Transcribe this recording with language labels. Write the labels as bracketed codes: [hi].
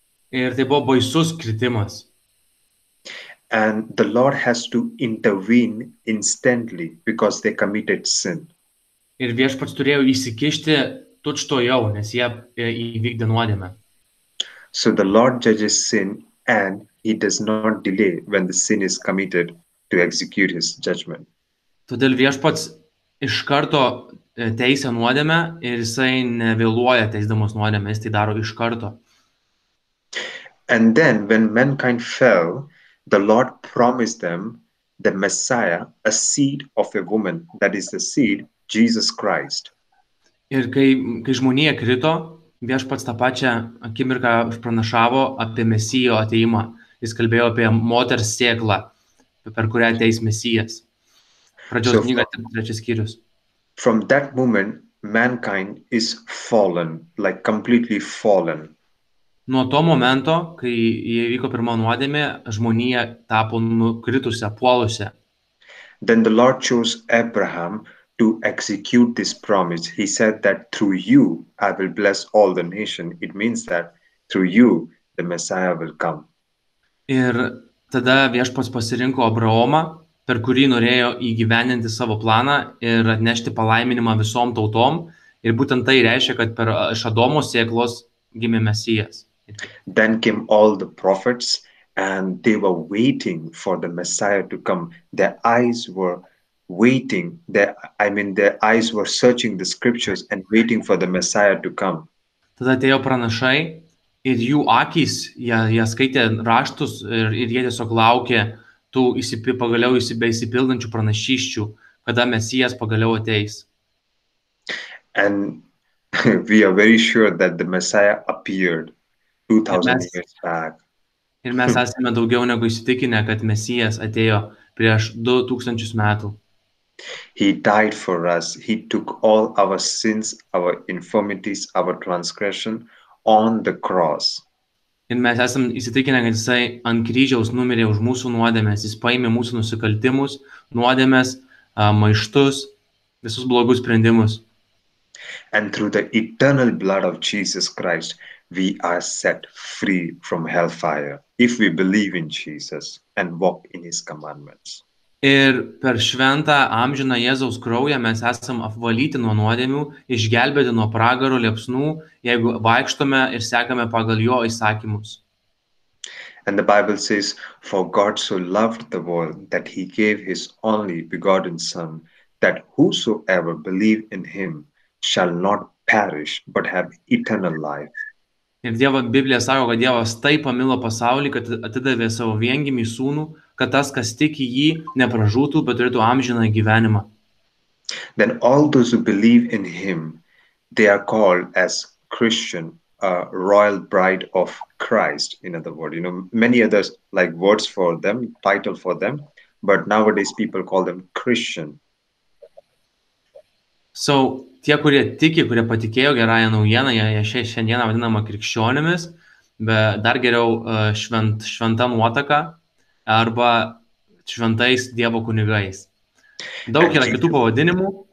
[lt] Ir tai buvo baisus kritimas. [en] And the Lord has to intervene instantly because they committed sin. [lt] Ir Viešpats turėjo įsikišti tučtojau, nes jie įvykdė nuodėmę. [en] So the Lord judges sin and he does not delay when the sin is committed to execute his judgment. [lt] Todėl Viešpats iš karto teisė nuodėmę ir jisai nevėluoja teisdamas nuodėmę, jis tai daro iš karto. [en] And then when mankind fell, the Lord promised them the Messiah, a seed of a woman, that is the seed, Jesus Christ. [lt] Ir kai žmonija krito, Viešpats tą pačią akimirką pranašavo apie Mesijo ateimą. Jis kalbėjo apie moters sėklą, per kurią ateis Mesijas. Pradžios knyga, trečias skyrius. [en] From that moment, mankind is fallen, like completely fallen. [lt] Nuo to momento, kai įvyko pirmo nuodėmė, žmonija tapo nukritusia, puolusia. [en] Then the Lord chose Abraham to execute this promise. He said that through you, I will bless all the nation. It means that through you, the Messiah will come. [lt] Ir tada Viešpats pasirinko Abraomą, per kurį norėjo įgyvendinti savo planą ir atnešti palaiminimą visom tautom. Ir būtent tai reiškia, kad per Adomo sėklos gimė Mesijas. [en] Then came all the prophets and they were waiting for the Messiah to come. Their eyes were waiting, their eyes were searching the scriptures and waiting for the Messiah to come. [lt] Tada atėjo pranašai ir jų akys, jie skaitė raštus ir jie tiesiog laukė tų įsipildančių pranašysčių, kada Mesijas pagaliau ateis. [en] And we are very sure that the Messiah appeared 2000 years back. [lt] Ir mes esame daugiau negu įsitikinę, kad Mesijas atėjo prieš 2000 metų. [en] He died for us. He took all our sins, our infirmities, our transgression on the cross. [lt] Ir mes esam įsitikinę, kad jisai ant kryžiaus numirė už mūsų nuodėmes. Jis paėmė mūsų nusikaltimus, nuodėmes, maištus, visus blogus sprendimus. [en] And through the eternal blood of Jesus Christ, we are set free from hellfire, if we believe in Jesus and walk in his commandments. [lt] Ir per šventą amžiną Jėzaus kraują mes esam apvalyti nuo nuodėmių, išgelbėti nuo pragaro liepsnų, jeigu vaikštome ir sekame pagal jo įsakymus. [en] And the Bible says, for God so loved the world that he gave his only begotten son, that whosoever believe in him shall not perish, but have eternal life. [lt] Ir Dievo Biblija sako, kad Dievas taip pamilo pasaulį, kad atidavė savo viengimį sūnų, kad tas, kas tik į jį, nepražūtų, bet turėtų amžiną gyvenimą. [en] Then all those who believe in him, they are called as Christian, a royal bride of Christ, in other words. You know, many others, like words for them, title for them, but nowadays people call them Christian. [lt] So, tie, kurie tiki, kurie patikėjo gerąją naujieną, jie šiandieną vadinama krikščionimis, bet dar geriau šventa nuotaka, arba šventais Dievo kunigais. Daug yra kitų pavadinimų.